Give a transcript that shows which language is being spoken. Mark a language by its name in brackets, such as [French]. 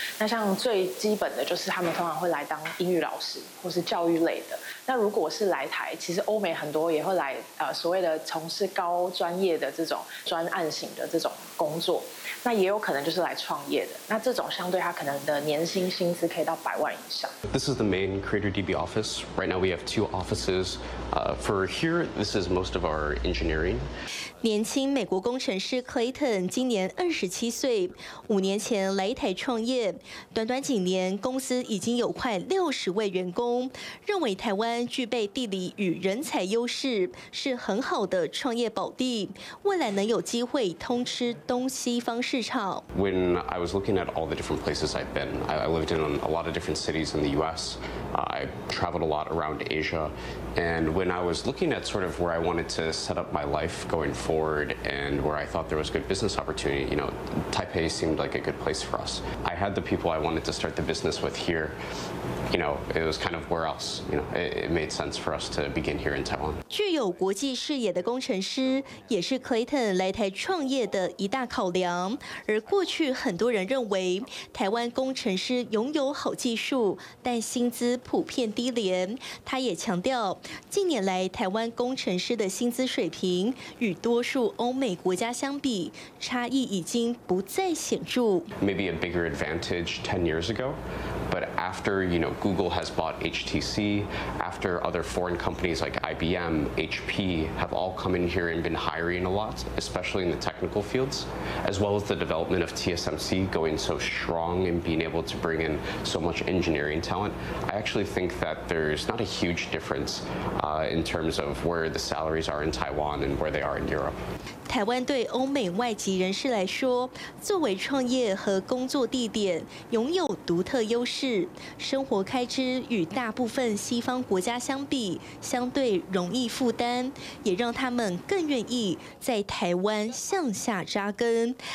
[Chinese] 那像最基本的就是他们通常会来当英语老师或是教育类的。那如果是来台，其实欧美很多也会来所谓的从事高专业的这种专案型的这种工作。那也有可能就是来创业的。那这种相对他可能的年薪薪资可以到100万以上。 [English] This is the main Creator DB office. Right now we have 2 offices. For here, this is most of our engineering. [Chinese] 年轻美国工程师 Clayton 今年27岁，5年前来台创业，短短几年公司已经有快60位员工，认为台湾具备地理与人才优势，是很好的创业宝地，未来能有机会通吃东西方市场。 [English] When I was looking at all the different places I've been, I lived in a lot of different cities in the U.S. I traveled a lot around Asia, and when I was looking at sort of where I wanted to set up my life going forward and where I thought there was good business opportunity, you know, Taipei Taipei seemed like a good place for us. I had the people I wanted to start the business with here. You know, it was kind of where else, you know, it made sense for us to begin here in Taiwan. [Chinese] 具有国际视野的工程师也是 Clayton 来台创业的一大考量。而过去很多人认为台湾工程师拥有好技术，但薪资普遍低廉。他也强调，近年来台湾工程师的薪资水平与多数欧美国家相比，差异已经不再显著。 [English] Maybe a bigger advantage 10 years ago, but after you know Google has bought HTC, after other foreign companies like IBM, HP have all come in here and been hiring a lot, especially in the technical fields, as well as the development of TSMC going so strong and being able to bring in so much engineering talent, I actually think that there's not a huge difference in terms of where the salaries are in Taiwan and where they are in Europe. [Chinese] 台湾对欧美外籍人士来说，作为创业和工作地点，拥有独特优势。生活开支与大部分西方国家相比，相对容易负担，也让他们更愿意在台湾向下扎根。